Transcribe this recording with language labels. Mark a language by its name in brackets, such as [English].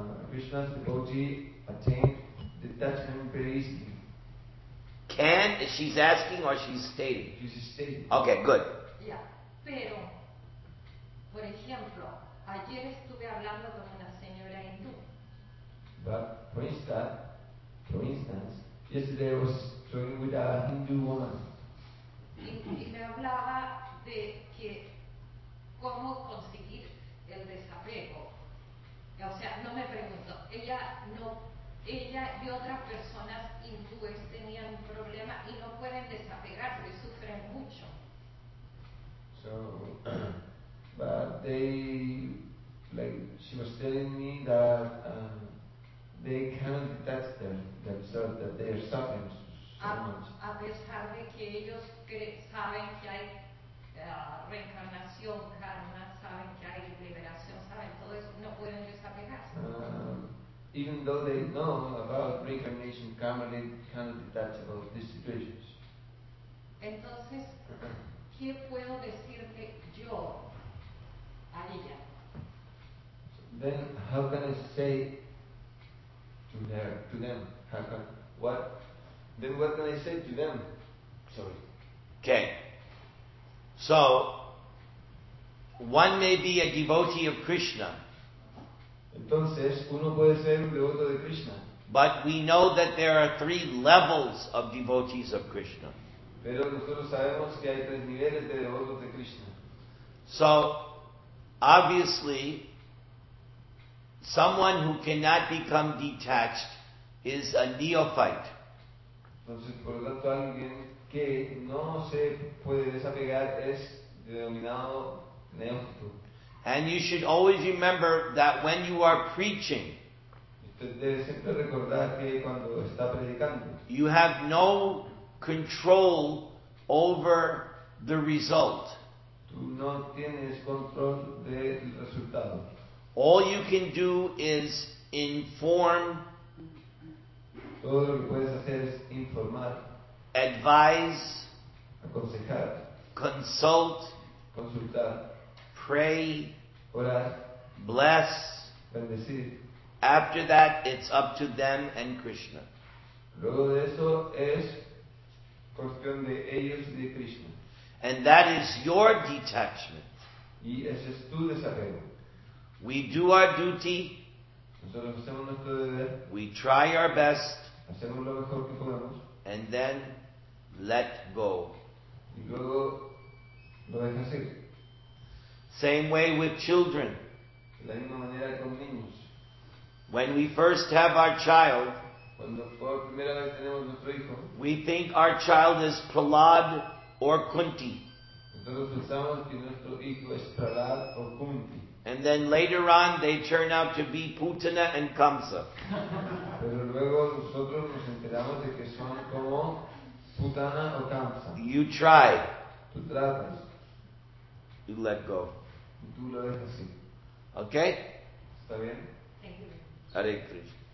[English] Krishna's devotee attained detachment very easily. Can, she's asking or she's stating? She's stating. Okay, good. [Spanish] Yeah, pero, por ejemplo, ayer estuve hablando con una señora hindú. [English] But for instance, yesterday I was talking with a Hindu woman. [Spanish] Y me hablaba de que cómo conseguir el desapego. O sea, no me pregunto. Ella y otras personas hindúes tenían un problema y no pueden desapegarse, sufren mucho. [English] So, but they, like, she was telling me that they can't detach themselves, that they are suffering so much. [Spanish] A pesar de que ellos saben que hay reencarnación, karma, saben que hay liberación, saben todo eso, no pueden desapegarse. [English] Even though they know about reincarnation, karma, they can't detach about these situations. [Spanish] Entonces, ¿qué puedo decirle yo a ella? [English] Then, how can I say to them, what can I say to them? Sorry. Okay. So, one may be a devotee of Krishna. [Spanish] Entonces, uno puede ser un devoto de Krishna. [English] But we know that there are three levels of devotees of Krishna. [Spanish] Pero nosotros sabemos que hay tres niveles de devotos de Krishna. [English] So, obviously, someone who cannot become detached is a neophyte. [Spanish] Entonces, por lo tanto, alguien que no se puede desapegar es denominado neófito. [English] And you should always remember that when you are preaching, [Spanish] usted debe siempre recordar que cuando está predicando, [English] you have no control over the result. [Spanish] Tú no tienes control del resultado. [English] All you can do is inform, [Spanish] todo lo que puedes hacer es informar, [English] advise, [Spanish] aconsejar, [English] consult, [Spanish] consultar, [English] pray, [Spanish] orar, [English] bless, [Spanish] bendecir. [English] After that, it's up to them and Krishna. [Spanish] Luego de eso es cuestión de ellos y de Krishna. [English] And that is your detachment. [Spanish] Y ese es tu desapego. [English] We do our duty. [Spanish] Nosotros hacemos nuestro deber. [English] We try our best. [Spanish] Hacemos lo mejor que podemos. [English] And then let go. [Spanish] Y luego lo dejas ir. [English] Same way with children. [Spanish] De la misma manera con niños. [English] When we first have our child, [Spanish] cuando por primera vez tenemos nuestro hijo, [English] we think our child is Prahlad or Kunti. [Spanish] Entonces pensamos que nuestro hijo es Prahlad o Kunti. [English] And then later on, they turn out to be Putana and Kamsa. [Spanish] Pero luego nosotros nos enteramos de que son como Putana o Kamsa. [English] You try. [Spanish] Tú tratas. [English] You let go. [Spanish] Tú lo dejas así. [English] Okay? [Spanish] Está bien. [Sanskrit] Hare Krishna.